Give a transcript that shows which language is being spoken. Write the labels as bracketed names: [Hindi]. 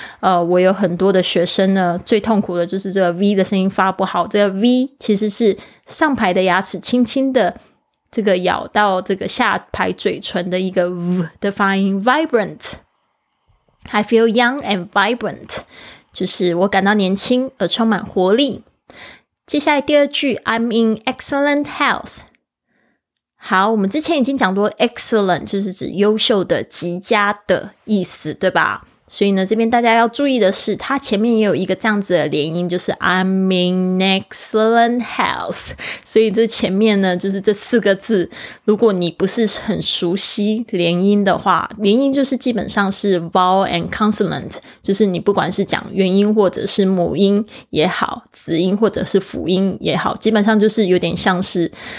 [Chinese] 我有很多的学生呢，最痛苦的就是这个 V 的声音发不好。这个 V 其实是上排的牙齿轻轻的这个咬到这个下排嘴唇的一个 V 的发音。 [English] Vibrant, I feel young and vibrant, [Chinese] 就是我感到年轻而充满活力。接下来第二句 [English] ，I'm in excellent health。 [Chinese] 好，我们之前已经讲过 excellent 就是指优秀的、极佳的意思，对吧？所以呢，这边大家要注意的是，它前面也有一个这样子的连音，就是 [English] I'm in excellent health。 [Chinese] 所以这前面呢，就是这四个字，如果你不是很熟悉连音的话，连音就是基本上是 [English] vowel and consonant， [Chinese] 就是你不管是讲元音或者是母音也好，子音或者是辅音也好，基本上就是有点像是